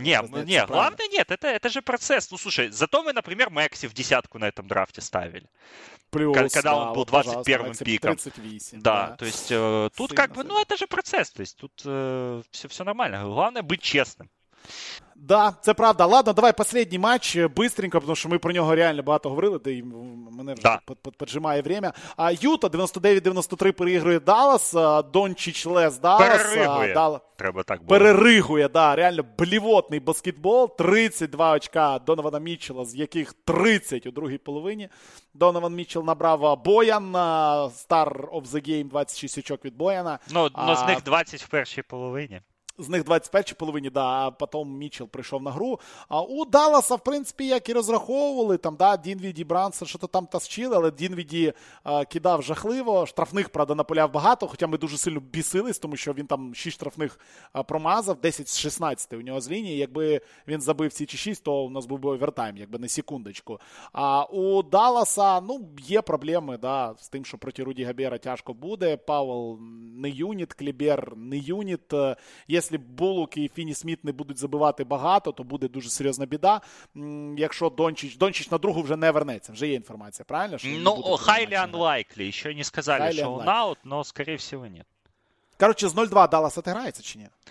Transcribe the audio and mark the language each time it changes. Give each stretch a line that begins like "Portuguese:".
Russian: Не, главное нет, это же процесс. Ну, слушай, зато мы, например, Мэкси в 10-ку на этом драфте ставили. Плюс, когда он был 21-м пиком. 38, да, то есть тут как бы, ну это же процесс. То есть тут все нормально. Главное быть честным.
Ukrainian: Да, це правда.
Russian: Ладно, давай последній матч быстренько, потому
Ukrainian: що ми про нього реально багато говорили, да і мене вже да. поджимає время. А Юта 99-93 перегрує Даллас, Дончич Лес Даллас. Перегрює, треба так було. Перегрює, да, реально блівотний баскетбол. 32 очка Донована Мітчелла, з яких 30 у другій половині. Донован Мітчелл набрав Боян, Star of the Game, 26 очок від Бояна. Ну, з них 20 в першій половині. З них 21-й половині, да, а потім Мітчелл прийшов на гру. А у Далласа, в принципі, як і розраховували, там, да, Дінвіді, Брансон, що-то там тащили, але Дінвіді кидав жахливо, штрафних, правда, наполяв багато, хоча ми дуже сильно бісились, тому що він там 6 штрафних промазав, 10 з 16 у нього з лінії, якби він забив ці чи 6, то у нас був би овертайм, якби на секундочку. А у Далласа, ну, є проблеми, да, з тим, що проти Руді Габера тяжко буде, Павел не юніт, Клібер не юніт. Якщо Булок і Фіні Сміт не будуть забивати багато, то буде дуже серйозна біда. Якщо Дончич на другу вже не вернеться. Вже є інформація, правильно? Ну,
English: highly unlikely.
Ukrainian: Ще не сказали, highly що unlikely. Он аут, но, скоріше всього, ні. Коротше, з 0-2 Даллас отиграється чи ні?